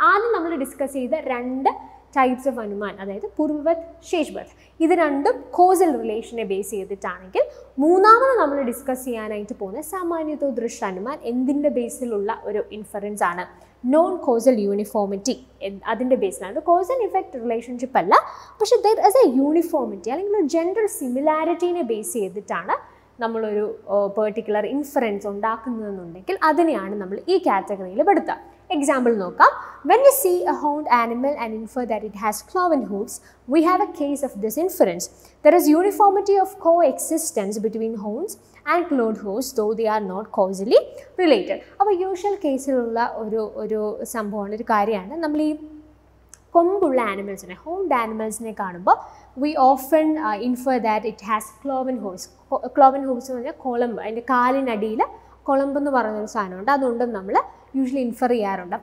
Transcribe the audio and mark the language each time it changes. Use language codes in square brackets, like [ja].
[ml] ആദ്യം നമ്മൾ ഡിസ്കസ് ചെയ്ത രണ്ട് ടൈപ്സ് ഓഫ് അനുമാൻ, അതായത് പൂർവവത് ശേഷവത്, ഇത് രണ്ടും കോസൽ റിലേഷനെ ബേസ് ചെയ്തിട്ടാണെങ്കിൽ മൂന്നാമത് നമ്മൾ ഡിസ്കസ് ചെയ്യാനായിട്ട് പോകുന്ന സാമാന്യതോദൃശ്യ അനുമാൻ എന്തിൻ്റെ ബേസിലുള്ള ഒരു ഇൻഫറൻസ് ആണ്? Non causal uniformity. അതിൻ്റെ ബേസിലാണ്, കോസൽ ഇഫക്റ്റ് റിലേഷൻഷിപ്പ് അല്ല, പക്ഷെ [en] there is a uniformity, [ml] അല്ലെങ്കിൽ ഒരു ജനറൽ സിമിലാരിറ്റീനെ ബേസ് ചെയ്തിട്ടാണ് നമ്മളൊരു പെർട്ടിക്കുലർ ഇൻഫറൻസ് ഉണ്ടാക്കുന്നതെന്നുണ്ടെങ്കിൽ അതിനെയാണ് നമ്മൾ ഈ കാറ്റഗറിയിൽ പെടുത്തുക. [en] Example [ml] noka, [en] when you see a horned animal and infer that it has cloven hooves, we have a case of this inference. There is uniformity of coexistence between horns and cloven hooves, though they are not causally related. Our usual case [ml] illulla oru oru sambhavana oru karyana nammal ee കൊമ്പുള്ള ആനിമൽസിനെ, ഹോംഡ് ആനിമൽസിനെ കാണുമ്പോൾ [en] We often infer that it has cloven horns. [ml] ക്ലോവൻ Holmes എന്ന് പറഞ്ഞാൽ കൊളമ്പ്, അതിൻ്റെ കാലിനടിയിൽ കൊളമ്പ് എന്ന് പറഞ്ഞൊരു സാധനമുണ്ട്, അതുകൊണ്ടും നമ്മൾ usually infer ചെയ്യാറുണ്ട്.